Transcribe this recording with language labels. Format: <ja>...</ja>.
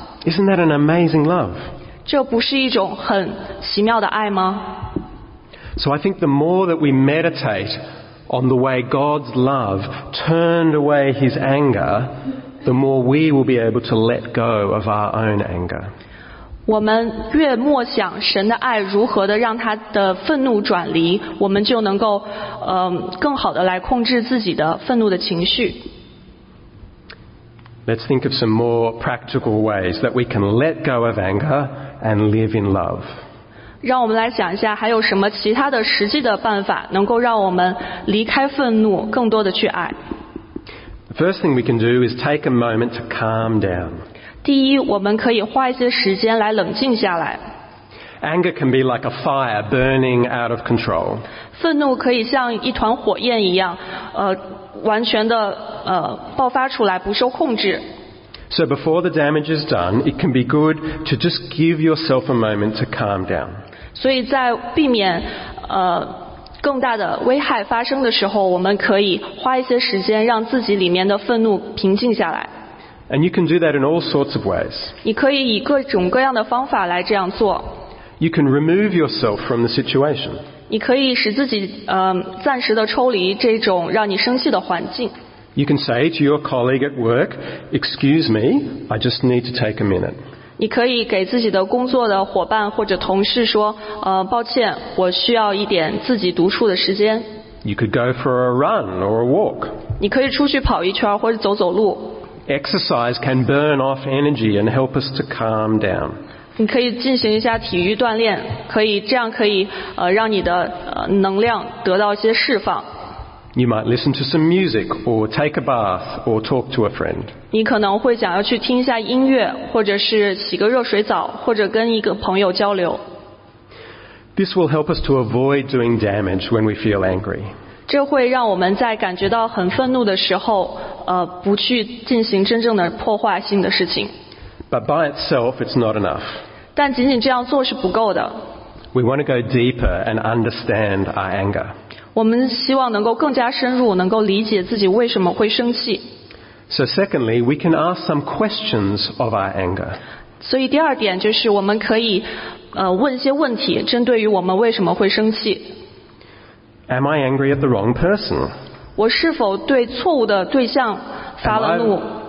<en>Isn't that an amazing love?</en> <zh>这不是一种很奇妙的爱吗？</zh> <en>So I think the more that we meditate on the way God's love turned away his anger, the more we will be able to let go of our own anger.</en> <zh>我们越默想神的爱如何的让他的愤怒转离，我们就能够更好的来控制自己的愤怒的情绪。</zh> <en>Let's think of some more practical ways that we can let go of anger and live in love.</en> <zh>让我们来想一下还有什么其他的实际的办法能够让我们离开愤怒更多的去爱。</zh> <en>The first thing we can do is take a moment to calm down.</en> <zh>第一我们可以花一些时间来冷静下来。</zh> <en>Anger can be like a fire burning out of control.</en> <zh>愤怒可以像一团火焰一样完全的爆发出来不受控制。</zh> <en>So before the damage is done, it can be good to just give yourself a moment to calm down.</en> <zh>所以在避免更大的危害发生的时候，我们可以花一些时间让自己里面的愤怒平静下来。</zh> <en>And you can do that in all sorts of ways.</en> <zh>你可以以各种各样的方法来这样做。</zh> <en>You can remove yourself from the situation.</en> <zh>你可以使自己暂时的抽离这种让你生气的环境。</zh> <en>You can say to your colleague at work, "Excuse me, I just need to take a minute."</en> <zh>你可以给自己的工作的伙伴或者同事说，抱歉，我需要一点自己独处的时间。</zh> <en>You could go for a run or a walk.</en> <zh>你可以出去跑一圈或者走走路。</zh> <en>Exercise can burn off energy and help us to calm down.</en> <zh>你可以进行一下体育锻炼，可以这样可以让你的能量得到一些释放。</zh> <en>You might listen to some music, or take a bath, or talk to a friend.</en> <zh>你可能会想要去听一下音乐，或者是洗个热水澡，或者跟一个朋友交流。</zh> <en>This will help us to avoid doing damage when we feel angry.</en> <zh>这会让我们在感觉到很愤怒的时候，不去进行真正的破坏性的事情。</zh> <en>But by itself, it's not enough.</en> <zh>但仅仅这样做是不够的。</zh> <en>We want to go deeper and understand our anger.</en> <zh>我们希望能够更加深入，能够理解自己为什么会生气。</zh> <en>So secondly, we can ask some questions of our anger.</en> <zh>所以第二点就是我们可以问一些问题，针对于我们为什么会生气。</zh> <en>Am I angry at the wrong person?</en> <zh>我是否对错误的对象发了怒</zh>